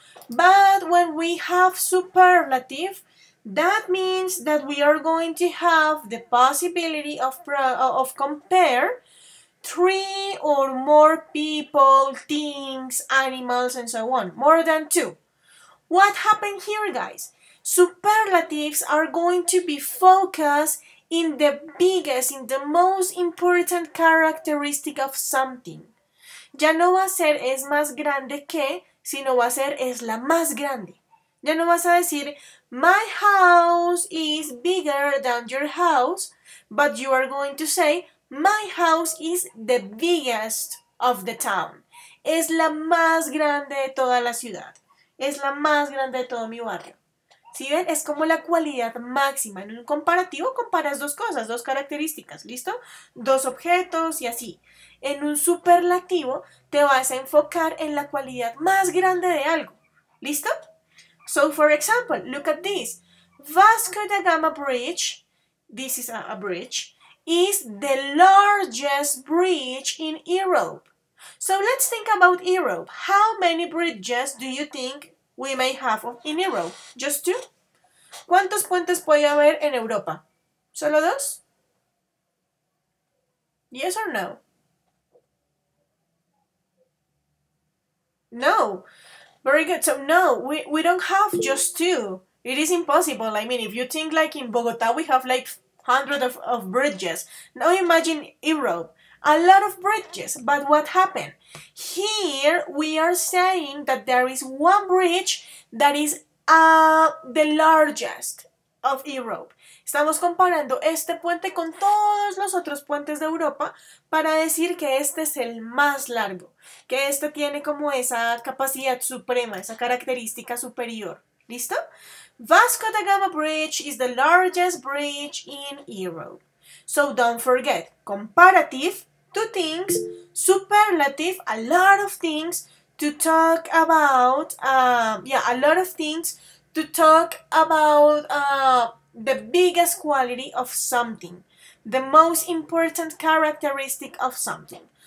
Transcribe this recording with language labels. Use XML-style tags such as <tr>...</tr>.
<en>But when we have superlative, that means that we are going to have the possibility of compare three or more people, things, animals, and so on, more than two. What happened here, guys? Superlatives are going to be focused in the biggest, in the most important characteristic of something.</en> <es>Ya no va a ser es más grande que, sino va a ser es la más grande. Ya no vas a decir,</es> <en>my house is bigger than your house, but you are going to say, my house is the biggest of the town.</en> <es>Es la más grande de toda la ciudad. Es la más grande de todo mi barrio. ¿Sí ven? Es como la cualidad máxima. En un comparativo comparas dos cosas, dos características, ¿listo? Dos objetos y así. En un superlativo te vas a enfocar en la cualidad más grande de algo, ¿listo?</es> <en>So, for example, look at this. Vasco da Gama Bridge, this is a bridge, is the largest bridge in Europe. So, let's think about Europe. How many bridges do you think we may have in Europe? Just two.</en> <es>¿Cuántos puentes puede haber en Europa? ¿Solo dos?</es> <en>Yes or no? No. Very good. So no, we don't have just two. It is impossible. I mean, if you think like in Bogota, we have like hundreds of bridges. Now imagine Europe. A lot of bridges, but what happened? Here we are saying that there is one bridge that is the largest of Europe.</en> <es>Estamos comparando este puente con todos los otros puentes de Europa para decir que este es el más largo, que este tiene como esa capacidad suprema, esa característica superior. ¿Listo?</es> <en>Vasco da Gama Bridge is the largest bridge in Europe. So don't forget, comparative, two things, superlative, a lot of things to talk about, a lot of things to talk about the biggest quality of something, the most important characteristic of something.</en>